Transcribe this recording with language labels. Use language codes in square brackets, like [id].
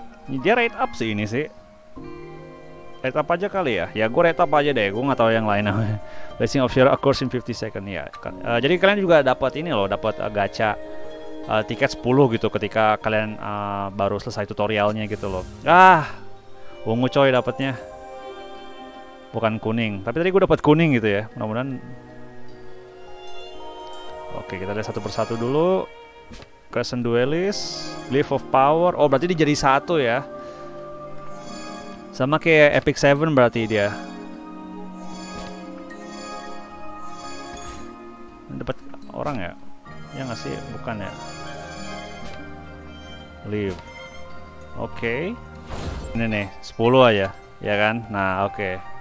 [id] Ini dia rate up sih ini sih. Rate up aja kali ya. Ya gue rate up aja deh. Gue nggak tahu yang lain namanya. [en] Blessing of Fear occurs in 50 second ya. [id] Jadi kalian juga dapat ini loh, dapat gacha tiket 10 gitu ketika kalian baru selesai tutorialnya gitu loh. Ah, ungu coy dapatnya. Bukan kuning. Tapi tadi gue dapat kuning gitu ya. Mudah-mudahan. Oke, kita lihat satu persatu dulu. Crescent Duelist, Leaf of Power. Oh, berarti dia jadi satu ya. Sama kayak Epic Seven berarti dia. Dapat orang ya? Ya nggak sih? Bukan ya? Leaf. Oke. Okay. Ini nih, 10 aja. Ya kan? Nah, oke. Okay.